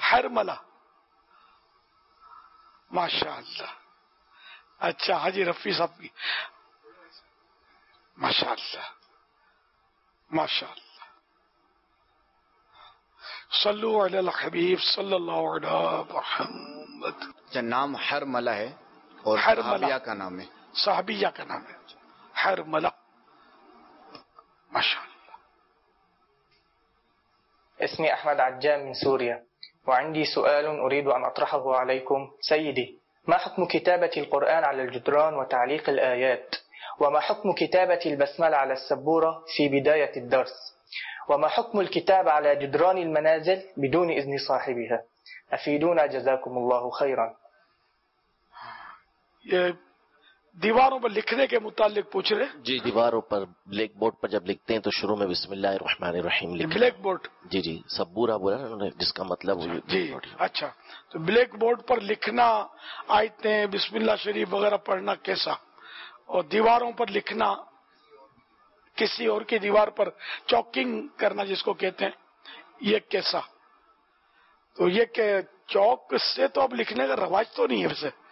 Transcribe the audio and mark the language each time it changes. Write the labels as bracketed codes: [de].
[ur] حرملا ماشاءاللہ، اچھا حاجی رفیع صاحب کی ماشاءاللہ ماشاءاللہ، صلو علی الحبیب صلی اللہ علیہ محمد. نام حرملا ہے اور صحابیہ کا نام ہے، صحابیہ کا نام ہے حرملا ماشاءاللہ. [ar] اسمي احمد عجام من سوريا وعندي سؤال اريد ان اطرحه عليكم. سيدي، ما حكم كتابه القران على الجدران وتعليق الايات؟ وما حكم كتابه البسمله على السبوره في بدايه الدرس؟ وما حكم الكتابه على جدران المنازل بدون اذن صاحبها؟ افيدونا جزاكم الله خيرا. [ur] دیواروں پر لکھنے کے متعلق پوچھ رہے؟ جی دیواروں پر بلیک بورڈ پر جب لکھتے ہیں تو شروع میں بسم اللہ الرحمن الرحیم لکھتے ہیں، بلیک بورڈ جی جی سب برا برا انہوں نے جس کا مطلب ہوئی جی اچھا، تو بلیک بورڈ پر لکھنا آیتیں بسم اللہ شریف وغیرہ پڑھنا کیسا، اور دیواروں پر لکھنا کسی اور کی دیوار پر چوکنگ کرنا جس کو کہتے ہیں یہ کیسا؟ تو یہ کہ چوک سے تو اب لکھنے کا رواج تو نہیں ہے ویسے،